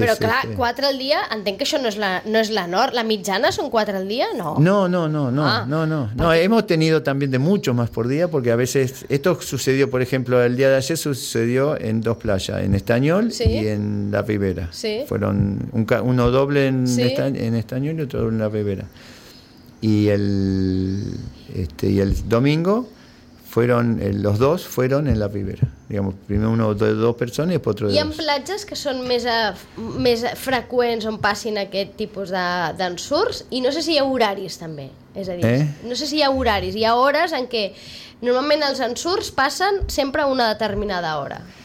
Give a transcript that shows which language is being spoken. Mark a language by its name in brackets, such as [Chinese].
[Catalan] Però clar, quatre al dia, entenc que això no és la nord. La mitjana són quatre al dia, no? No. [Spanish] Hemos tenido también de muchos más por día, porque a veces esto sucedió, por ejemplo, el día de ayer sucedió en dos playas, en Estañol y en La Ribera. Sí. Fueron uno doble en Estañol y otro en La Ribera. Y el domingo los dos fueron en La Ribera, digamos, primero uno de dos personas y después otro de dos. [Catalan] ¿Y en platges que son més freqüents on passin aquest tipus d'ensurts? I no sé si hi ha horaris també, és a dir, no sé si hi ha horaris, hi ha hores en què normalment els ensurts passen sempre a una determinada hora.